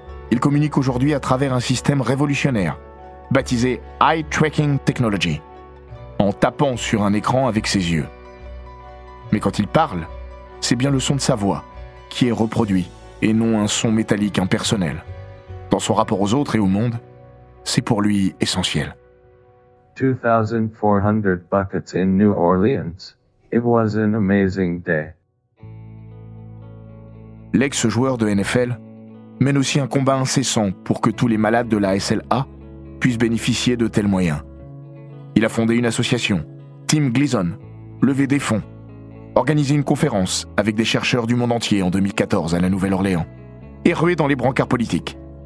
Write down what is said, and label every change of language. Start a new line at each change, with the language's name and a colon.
French: Il communique aujourd'hui à travers un système révolutionnaire, baptisé Eye Tracking Technology, en tapant sur un écran avec ses yeux. Mais quand il parle, c'est bien le son de sa voix qui est reproduit et non un son métallique impersonnel. Dans son rapport aux autres et au monde, c'est pour lui essentiel.
English: 2400 buckets in New Orleans. It was an amazing day.
French: l'ex-joueur de NFL, mène aussi un combat incessant pour que tous les malades de la SLA puissent bénéficier de tels moyens. Il a fondé une association, Team Gleason, levé des fonds, organisé une conférence avec des chercheurs du monde entier en 2014 à la Nouvelle-Orléans, et rué dans les brancards politiques.